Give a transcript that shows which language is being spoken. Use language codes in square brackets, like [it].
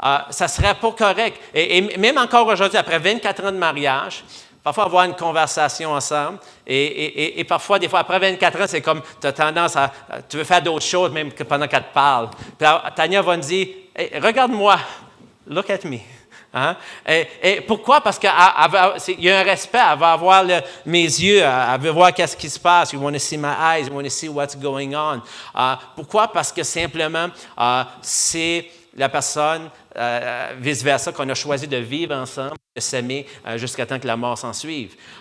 [fr] Ça serait pas correct et même encore aujourd'hui, après 24 ans de mariage, parfois avoir une conversation ensemble et parfois, des fois, après 24 ans, c'est comme tu as tendance à... Tu veux faire d'autres choses même que pendant qu'elle te parle. Puis Tanya va me dire, hey, « Regarde-moi. [en] Look at me. [fr] Hein? » Et pourquoi? Parce qu'il y a un respect. Elle va avoir mes yeux. Elle veut voir qu'est-ce qui se passe. « [en] You want to see my eyes. You want to see what's going on. » Pourquoi? [fr] Parce que simplement, c'est la personne, vice-versa, qu'on a choisi de vivre ensemble, de s'aimer jusqu'à temps que la mort s'en suive.